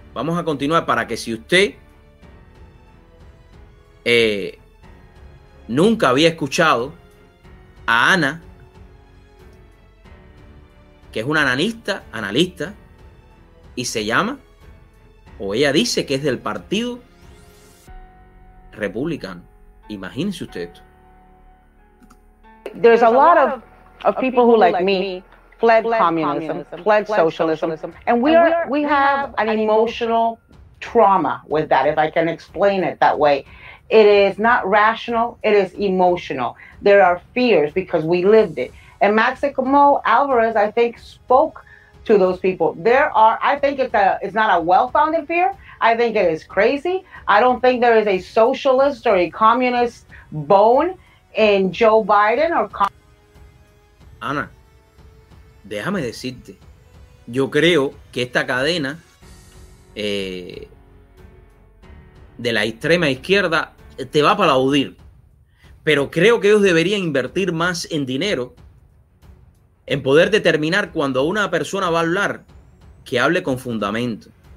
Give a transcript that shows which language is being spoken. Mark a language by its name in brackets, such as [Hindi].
[Spanish] Vamos a continuar para que si usted nunca había escuchado a Ana, que es una analista, y se llama, o ella dice que es del Partido Republicano. Imagínense usted esto. [English] There's a lot of people who like me fled communism, fled socialism, and we have an emotional trauma with that, if I can explain it that way. It is not rational, it is emotional. There are fears because we lived it. And Máximo Álvarez, I think, spoke to those people. I think it's not a well-founded fear. I think it is crazy. I don't think there is a socialist or a communist bone in Joe Biden or [Spanish] Ana, déjame decirte. Yo creo que esta cadena de la extrema izquierda te va a aplaudir, pero creo que ellos deberían invertir más en dinero en poder determinar cuando una persona va a hablar, que hable con fundamento.